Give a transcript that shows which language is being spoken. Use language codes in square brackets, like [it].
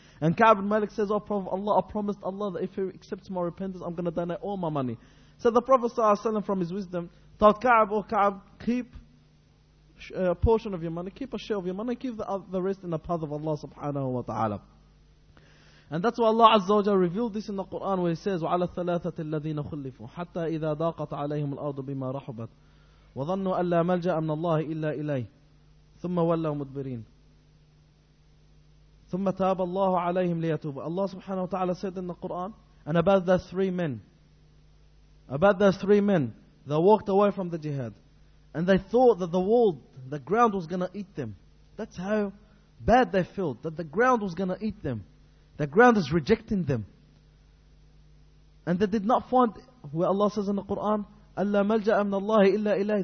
[en] And Ka'b ibn Malik says, oh Prophet Allah, I promised Allah that if he accepts my repentance, I'm going to donate all my money. So the Prophet sallallahu alaihi wasallam, from his wisdom, told Ka'b, oh Ka'b, keep a portion of your money, keep a share of your money, keep the rest in the path of Allah subhanahu wa ta'ala. And that's why Allah Azza wa Jalla revealed this in the Quran, where he says, [ar] وَعَلَى الثَّلَاثَةِ الَّذِينَ خُلِّفُوا حَتَّى إِذَا دَاقَتْ عَلَيْهِمُ الْأَرْضُ بِمَا رَحُبَتْ وَظَنُّوا أَلَّا مَلْجَأَ مِنَ اللَّهِ إِلَّا إِلَيْهِ ثُمَّ وَلَّوْا مُدْبِرِينَ ثُمَّ تَابَ اللَّهُ عَلَيْهِمْ لِيَتُوبُوا. [en] Allah subhanahu wa ta'ala said in the Quran, and about those three men that walked away from the jihad, and they thought that the ground was going to eat them. That's how bad they felt, that the ground was going to eat them. The ground is rejecting them. And they did not find, where Allah says in the Quran, [ar] أَلَّا مَلْجَأَ مِنَ اللَّهِ إِلَّا إِلَيْهِ.